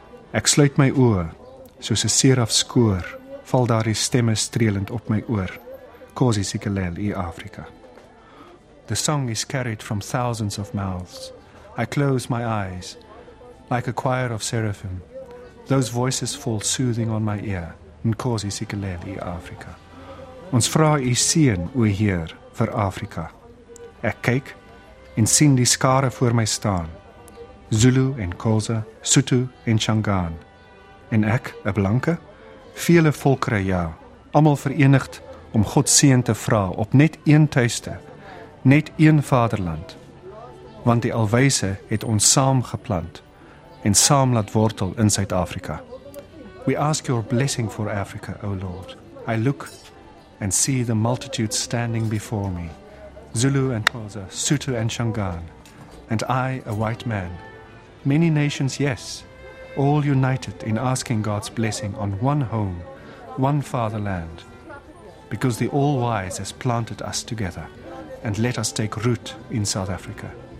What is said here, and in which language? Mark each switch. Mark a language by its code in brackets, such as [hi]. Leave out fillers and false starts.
[af] Ek sluit my oë, soos 'n seraf skoor, val daar die stemme streelend op my oor. [xh] Nkosi Sikelel' Afrika. [en] The song is carried from thousands of mouths. I close my eyes, like a choir of seraphim. Those voices fall soothing on my ear. [xh] Nkosi Sikelel' Afrika. [af] Ons vra u seën, o Heer, vir Afrika. Ek kyk en sien die skare voor my staan. Zulu en Khoza, Sotho en Shangaan. En ek, 'n blanke, vele volkere ja, almal verenigd om God seën te vra op net een tuiste, net een vaderland. Want die alwyse het ons saam geplant en saam laat wortel in Suid-Afrika. [en] We ask your blessing for Africa, O Lord. I look and see the multitude standing before me, Zulu and Khoza, Sotho and Shangaan, and I, a white man. Many nations, yes, all united in asking God's blessing on one home, one fatherland, because the All-Wise has planted us together and let us take root in South Africa.